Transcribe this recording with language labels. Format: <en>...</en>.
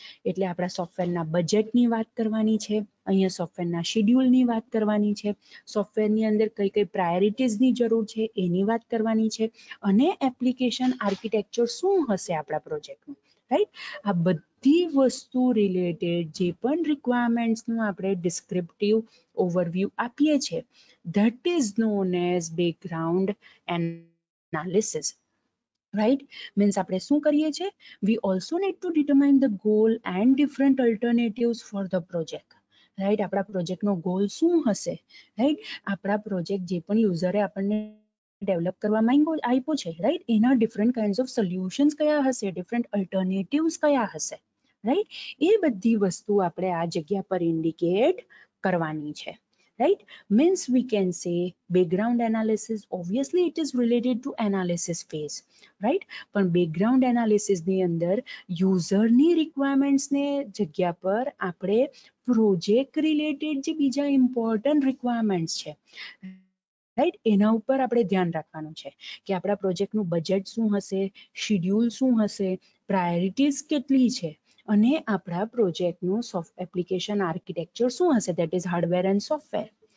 <gu>એટલે આપણા સોફ્ટવેરના બજેટની વાત કરવાની છે, અહીંયા સોફ્ટવેરના શિડ્યુલની વાત કરવાની છે, સોફ્ટવેરની અંદર કઈ કઈ પ્રાયોરિટીઝની જરૂર છે એની વાત કરવાની છે, અને એપ્લિકેશન આર્કિટેક્ચર શું હશે આપણા પ્રોજેક્ટનું, રાઈટ? આ બધી વસ્તુ રિલેટેડ જે પણ રિક્વાયરમેન્ટ્સનું આપણે ડિસ્ક્રિપ્ટિવ ઓવરવ્યૂ આપીએ છીએ,</gu> <en>That is known as background analysis. Right?</en> <gu>Means આપણે શું કરીએ છીએ?</gu> <en>We also need to determine the goal and different alternatives for the project. Right?</en> <gu>આપણા પ્રોજેક્ટનો ગોલ શું હશે? Right? આપણા પ્રોજેક્ટ જે પણ યુઝરે આપણને ડેવલપ કરવા માંગો આપ્યો છે, રાઈટ, એના ડિફરન્ટ કાઇન્ડ ઓફ સોલ્યુશન્સ કયા હશે, ડિફરન્ટ અલ્ટરનેટિવ્સ કયા હશે, રાઈટ? એ બધી વસ્તુ આપણે આ જગ્યા પર ઇન્ડિકેટ કરવાની છે.</gu> <en>Right? Means we can say background analysis, obviously it is related to analysis phase. Right?</en> <gu>પણ background analysis ની અંદર user ની requirements ને જગ્યા પર આપણે project related જે બીજા important requirements છે, રાઈટ, એના ઉપર આપણે ધ્યાન રાખવાનું છે કે આપણા પ્રોજેક્ટનું બજેટ શું હશે, શિડ્યુલ શું હશે, પ્રાયોરિટીઝ કેટલી છે, અને આપણા પ્રોજેક્ટનું સોફ્ટ એપ્લિકેશન આર્કિટેક્ચર શું હશે,</gu> <en>That is hardware and software.</en>